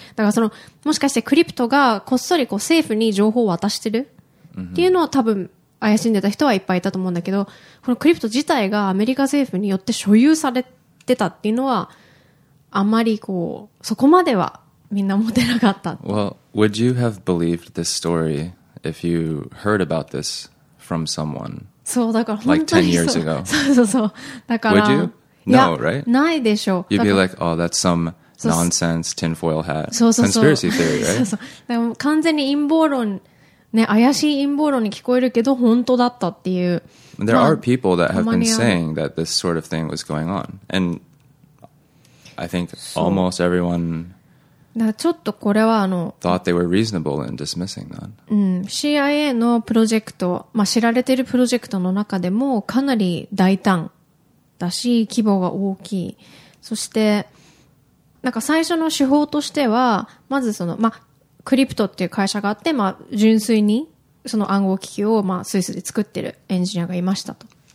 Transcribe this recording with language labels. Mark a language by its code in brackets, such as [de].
[ja] だから、その、もしかしてクリプトがこっそりこう政府に情報を渡してるっていうのは多分、怪しんでた人はいっぱいいたと思うんだけど、このクリプト自体がアメリカ政府によって所有されてたっていうのはあまりこうそこまではみんな思ってなかった。 [en] Well, would you have believed this story if you heard about this from someone? [ja] そうだから本当にそう。 [en] Like 10 years ago. [ja] そうそうそう。だから。 [en] Would you? No, right? [ja] ないでしょう。 [en] You'd be like, oh, that's some nonsense tinfoil hat. [ja] そうそうそう。 [en] Conspiracy theory, right? [ja] そうそう。完全に陰謀論。ね、怪しい陰謀論に聞こえるけど本当だったっていう。 [en] There are people that have been saying that this sort of thing was going on, and I think almost everyone thought they were reasonable in dismissing that. [ja] CIA のプロジェクト、まあ、知られてるプロジェクトの中でもかなり大胆だし規模が大きい。そしてなんか最初の手法としてはまずそのまあ。クリプトっていう会社があって、まあ、純粋にその暗号機器を、まあ、スイスで作ってるエンジニアがいましたと。